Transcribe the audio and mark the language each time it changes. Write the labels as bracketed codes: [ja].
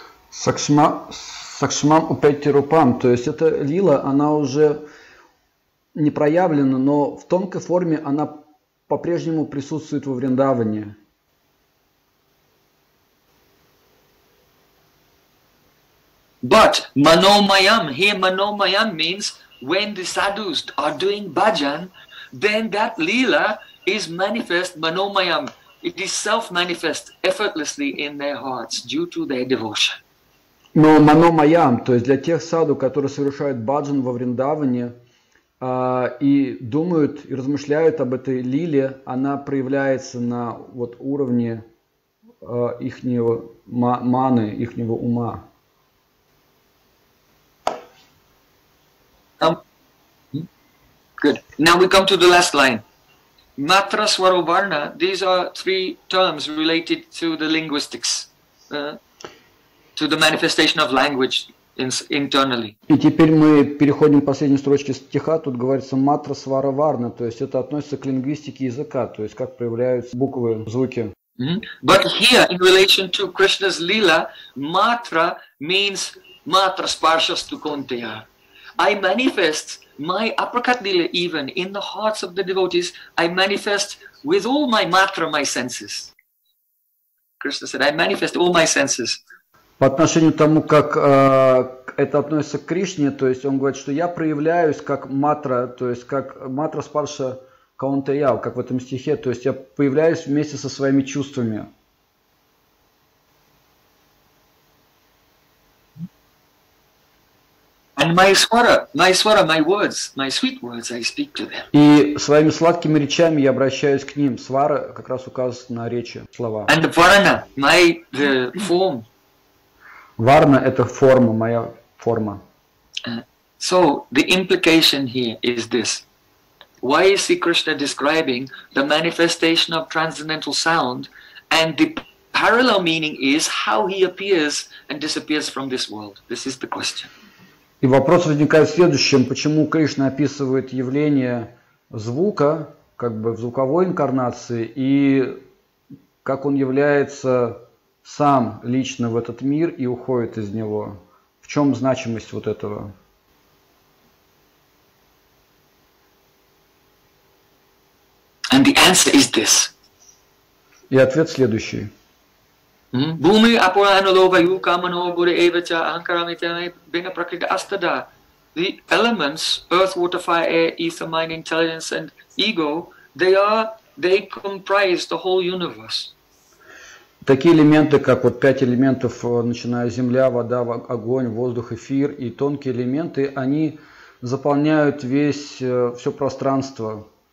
[ru] Сакшмам упейти рупам, то есть эта лила, она уже не проявлена, но в тонкой форме она по-прежнему присутствует во Вриндаване. [en] But manomayam, here manomayam means when the sadhus are doing bhajan, then that lila is manifest manomayam. It is self-manifest effortlessly in their hearts due to their devotion. [ru] Но мано-майям, то есть для тех саду, которые совершают баджан во Вриндаване и думают и размышляют об этой лиле, она проявляется на вот уровне ихнего маны, ихнего ума. [en] Good. Now we come to the last line. Matra, swaro, varna. These are three terms related to the linguistics. To the manifestation of language internally. [ru] И теперь мы переходим к последней строчке стиха. Тут говорится матра свара варна, то есть это относится к лингвистике языка, то есть как проявляются буквы, звуки. [en] Mm-hmm. But here, in relation to Krishna's lila, matra means matra sparsha stukantaya. I manifest my aprakat lila even in the hearts of the devotees. I manifest with all my matra, my senses. Krishna said, I manifest all my senses. [ru] По отношению к тому, как это относится к Кришне, то есть он говорит, что я проявляюсь как матра, то есть как матра спарша каунтая, как в этом стихе, то есть я появляюсь вместе со своими чувствами. [en] And my swara, my words, my sweet words, I speak to them. [ru] И своими сладкими речами я обращаюсь к ним. Свара как раз указывает на речи, слова. [en] And the varana, the form. [ru] Варна – это форма, моя форма. [en] So, the implication here is this. Why is Sri Krishna describing the manifestation of transcendental sound, and the parallel meaning is how he appears and disappears from this world? This is the question. [ru] И вопрос возникает в следующем. Почему Кришна описывает явление звука, как бы в звуковой инкарнации, и как он является сам лично в этот мир и уходит из него. В чем значимость вот этого? [en] And the answer is this. [ru] И ответ следующий. [sa] Бхуми апура аналога юка мано гуре эвача анкарамитяне бина пракрита астада. [en] The elements, earth, water, fire, air, ether, mind, intelligence and ego, they comprise the whole universe. [ru] Такие элементы, как вот пять элементов, начиная с земля, вода, огонь, воздух, эфир и тонкие элементы, они заполняют все пространство.